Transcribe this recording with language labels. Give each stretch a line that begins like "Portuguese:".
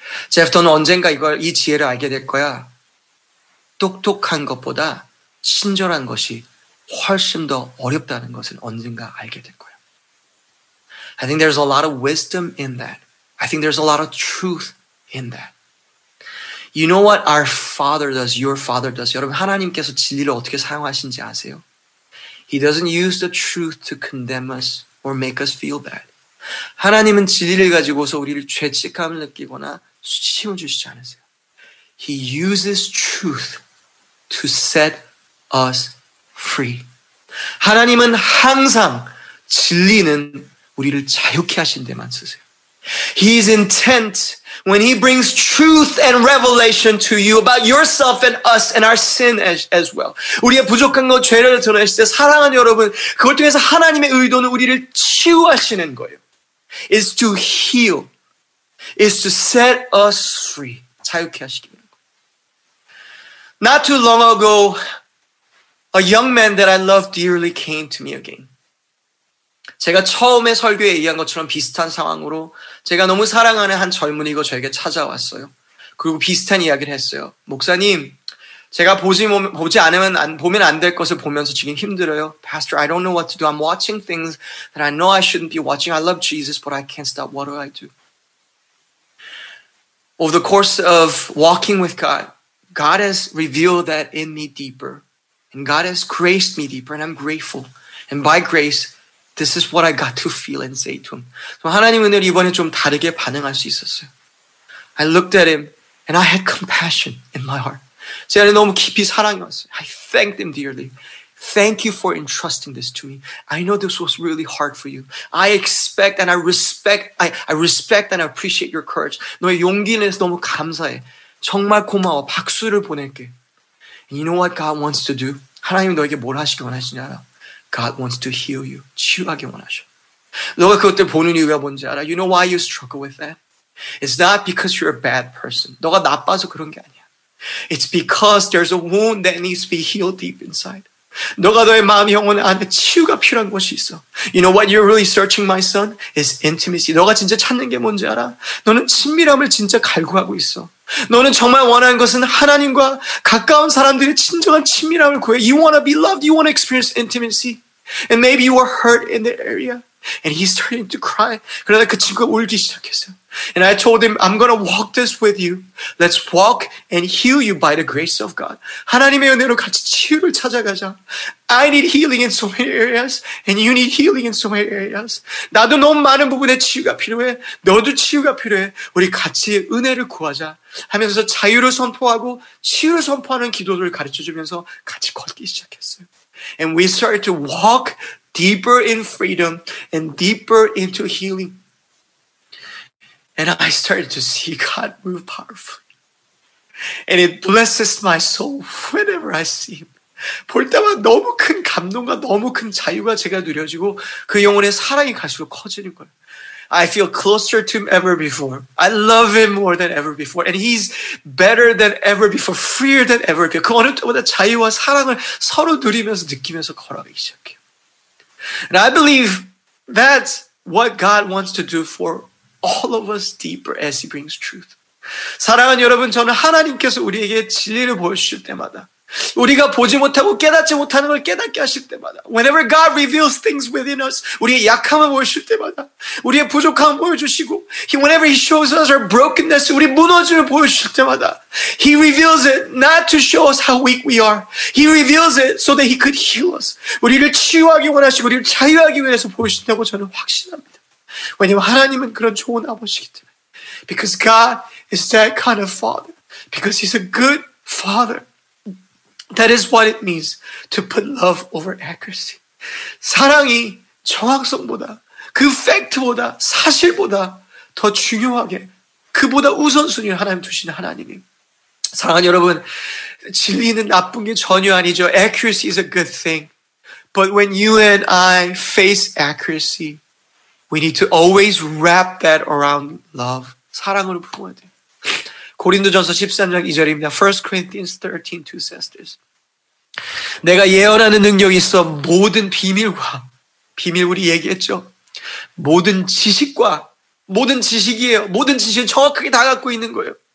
Korean: Jeff, 너는 언젠가 이걸 이 지혜를 알게 될 거야. 똑똑한 것보다 친절한 것이 훨씬 더 어렵다는 것을 언젠가 알게 될 거야.
English: I think there's a lot of wisdom in that. I think there's a lot of truth in that. You know what our father does, your father does.
Korean: 여러분, 하나님께서 진리를 어떻게 사용하신지 아세요?
English: He doesn't use the truth to condemn us or make us feel bad.
Korean: 하나님은 진리를 가지고서 우리를 죄책감을 느끼거나 수치심을 주시지 않으세요.
English: He uses truth to set us free.
Korean: 하나님은 항상 진리는 우리를 자유케 하신 데만 쓰세요.
English: His intent, when he brings truth and revelation to you about yourself and us and our sin as well.
Korean: 우리의 부족한 것, 죄를 드러내실 때 사랑하는 여러분, 그걸 통해서 하나님의 의도는 우리를 치유하시는 거예요.
English: Is to heal, is to set us free.
Korean: 자유케 하시기 바랍니다.
English: Not too long ago, a young man that I love dearly came to me again.
Korean: 제가 처음에 설교에 얘기한 것처럼 비슷한 상황으로 제가 너무 사랑하는 한 젊은이가 저에게 찾아왔어요. 그리고 비슷한 이야기를 했어요. 목사님, 제가 보면 안 될 것을 보면서 지금 힘들어요.
English: Pastor, I don't know what to do. I'm watching things that I know I shouldn't be watching. I love Jesus, but I can't stop. What do I do? Over the course of walking with God, God has revealed that in me deeper. And God has graced me deeper, and I'm grateful. And by grace, this is what I got to feel and say to him.
Korean: 하나님 은혜로 이번에 좀 다르게 반응할 수 있었어요.
English: I looked at him and I had compassion in my heart.
Korean: 제 안에 너무 깊이 사랑이 왔어요.
English: I thanked him dearly. Thank you for entrusting this to me. I know this was really hard for you. I expect and I respect and I appreciate your courage.
Korean: 너의 용기를 위해서 너무 감사해. 정말 고마워. 박수를 보낼게.
English: And you know what God wants to do?
Korean: 하나님 너에게 뭘 하시길 원하시냐?
English: God wants to heal you.
Korean: 치유하기 원하셔. 너가 그것들 보는 이유가 뭔지 알아?
English: You know why you struggle with that? It's not because you're a bad person.
Korean: 너가 나빠서 그런 게 아니야.
English: It's because there's a wound that needs to be healed deep inside.
Korean: 너가 너의 마음 영혼 안에 치유가 필요한 곳이 있어.
English: You know what you're really searching, my son? It's intimacy.
Korean: 너가 진짜 찾는 게 뭔지 알아? 너는 친밀함을 진짜 갈구하고 있어. 너는 정말 원하는 것은 하나님과 가까운 사람들의 진정한 친밀함을 구해.
English: You want to be loved. You want to experience intimacy. And maybe you were hurt in the area. And he's starting to cry.
Korean: 그러다 그 친구가 울기 시작했어요.
English: And I told him, I'm going to walk this with you. Let's walk and heal you by the grace of God.
Korean: 하나님의 은혜로 같이 치유를 찾아가자.
English: I need healing in so many areas and you need healing in so many areas.
Korean: 나도 너무 많은 부분에 치유가 필요해. 너도 치유가 필요해. 우리 같이 은혜를 구하자 하면서 자유를 선포하고 치유를 선포하는 기도를 가르쳐주면서 같이 걷기 시작했어요.
English: And we started to walk deeper in freedom and deeper into healing. And I started to see God move powerfully. And it blesses my soul whenever I see him.
Korean: 볼 때마다 너무 큰 감동과 너무 큰 자유가 제가 누려지고 그 영혼의 사랑이 갈수록 커지는 거예요.
English: I feel closer to him ever before. I love him more than ever before. And he's better than ever before, freer than ever before.
Korean: 그 어느 때보다 자유와 사랑을 서로 누리면서 느끼면서 걸어가기 시작해요.
English: And I believe that's what God wants to do for all of us deeper as he brings truth.
Korean: 사랑하는 여러분, 저는 하나님께서 우리에게 진리를 보여주실 때마다 우리가 보지 못하고 깨닫지 못하는 걸 깨닫게 하실 때마다
English: whenever God reveals things within us
Korean: 우리의 약함을 보여주실 때마다 우리의 부족함을 보여주시고
English: whenever he shows us our brokenness
Korean: 우리 무너짐을 보여주실 때마다
English: he reveals it not to show us how weak we are he reveals it so that he could heal us
Korean: 우리를 치유하기 원하시고 우리를 자유하기 위해서 보여주신다고 저는 확신합니다 왜냐하면 하나님은 그런 좋은 아버지이기 때문에
English: because God is that kind of father because he's a good father That is what it means to put love over accuracy.
Korean: 사랑이 정확성보다, 그 팩트보다, 사실보다 더 중요하게, 그보다 우선순위를 하나님 두시는 하나님임. 사랑하는 여러분, 진리는 나쁜 게 전혀 아니죠.
English: Accuracy is a good thing. But when you and I face accuracy, we need to always wrap that around love.
Korean: 사랑으로 품어야 돼요. 고린도전서 13장 2절입니다.
English: 1 Corinthians 13, 2 says this.
Korean: 내가 예언하는 능력이 있어 모든 비밀과, 비밀 우리 얘기했죠? 모든 지식과, 모든 지식이에요. 모든 지식은 정확하게 다 갖고 있는 거예요.